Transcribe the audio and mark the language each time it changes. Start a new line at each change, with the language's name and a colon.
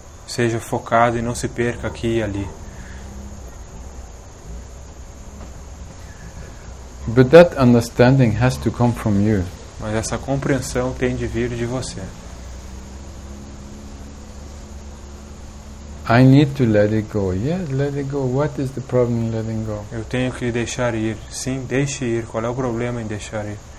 Portuguese: Seja focado e não se perca aqui e ali.
English: But that understanding has to come from you.
Portuguese: Mas essa compreensão tem de vir de você.
English: I need to let it go. Yes, let it go. What is the problem in letting go?
Portuguese: Eu tenho que deixar ir. Sim, deixe ir. Qual é o problema em deixar ir?